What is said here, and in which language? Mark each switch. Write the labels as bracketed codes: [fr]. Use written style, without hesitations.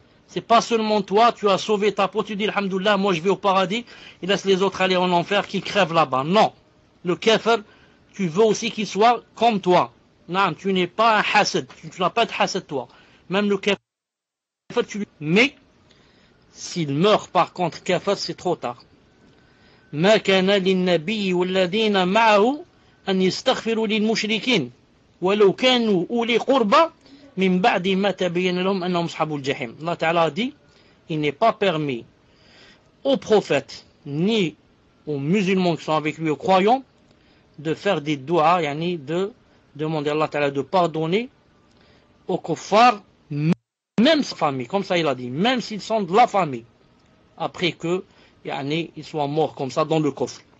[fr] C'est pas seulement toi, tu as sauvé ta peau, tu dis Alhamdoulilah, moi je vais au paradis, et laisse les autres aller en enfer, qu'ils crèvent là-bas. Non. Le kafir, tu veux aussi qu'il soit comme toi. Non, tu n'es pas un hasad, tu n'as pas de hasad toi. Même le kafir, tu lui... Mais, s'il meurt par contre kafir, c'est trop tard. [ar] Ma kana lin-nabi walladhina ma'ahu أن يستغفروا للمشركين ولو كانوا أولي قربى من بعد ما تبين لهم أنهم أصحاب الجحيم. [fr] الله تعالى دي il n'est pas permis aux prophètes ni aux musulmans qui sont avec lui, aux croyants, de faire des doua, yani de demander à Allah تعالى de pardonner aux kuffars, même sa famille, comme ça il a dit, même s'ils sont de la famille, après que yani ils soient morts comme ça dans le coffre.